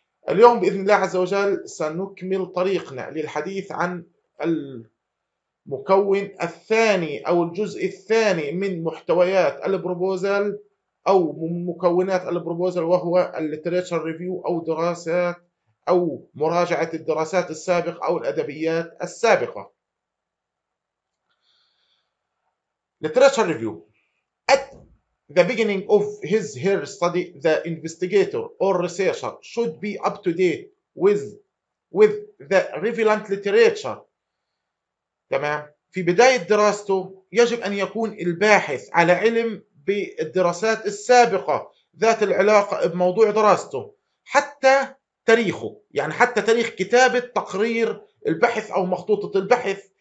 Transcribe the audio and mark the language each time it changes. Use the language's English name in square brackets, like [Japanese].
[Arabic] اليوم بإذن الله عز وجل سنكمل طريقنا للحديث عن المكون الثاني أو الجزء الثاني من محتويات البروبوزل أو مكونات البروبوزل، وهو الليتريتشر ريفيو أو دراسات أو مراجعة الدراسات السابقة أو الأدبيات السابقة. [English] الليتريتشر review: At the beginning of his her study, the investigator or researcher should be up to date with the relevant literature. [Arabic] تمام، في بداية دراسته يجب أن يكون الباحث على علم بالدراسات السابقة ذات العلاقة بموضوع دراسته، حتى تاريخه، يعني حتى تاريخ كتابة تقرير البحث أو مخطوطة البحث.